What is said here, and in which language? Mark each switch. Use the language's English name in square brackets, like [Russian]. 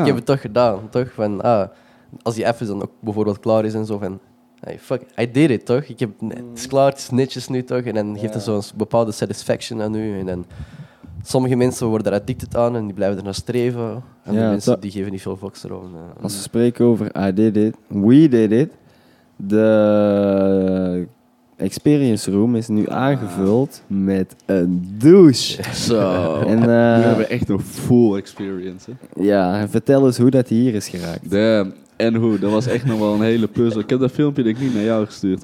[Dutch] Ik heb het toch gedaan, toch? Van, als die afwas dan ook bijvoorbeeld klaar is en zo, van, [English] hey, fuck, I did it, [Dutch] toch? Ik heb, het is klaar, het is netjes nu, toch? En dan geeft het zo'n bepaalde satisfaction aan u. En dan, sommige mensen worden daar addicted aan en die blijven er naar streven. En de mensen, die geven niet veel fucks erover. Als we spreken over, [English] I did it, we did it. [Dutch] De experience room is nu aangevuld met een douche. Zo. En nu hebben we echt een full experience. Hè? Ja, vertel eens hoe dat hier is geraakt. En hoe, dat was echt nog wel een hele puzzel. Ik heb dat filmpje denk ik niet naar jou gestuurd.